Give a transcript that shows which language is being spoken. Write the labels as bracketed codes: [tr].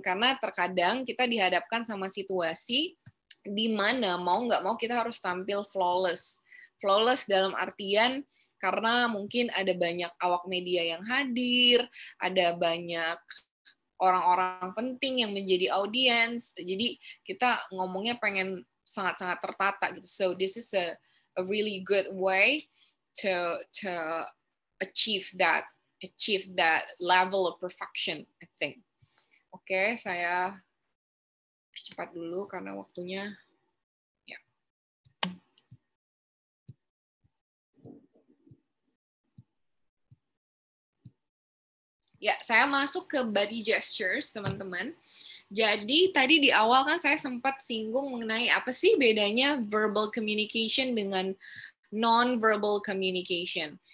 [id] Karena terkadang kita dihadapkan sama situasi di mana mau nggak mau kita harus tampil flawless. Flawless dalam artian karena mungkin ada banyak awak media yang hadir, ada banyak orang-orang penting yang menjadi audiens. Jadi kita ngomongnya pengen sangat-sangat tertata gitu. [en] So this is a really good way to achieve that level of perfection, I think. [id] Oke, saya percepat dulu karena waktunya. Ya, saya masuk ke body gestures, teman-teman. Jadi, tadi di awal kan saya sempat singgung mengenai apa sih bedanya verbal communication dengan non-verbal communication.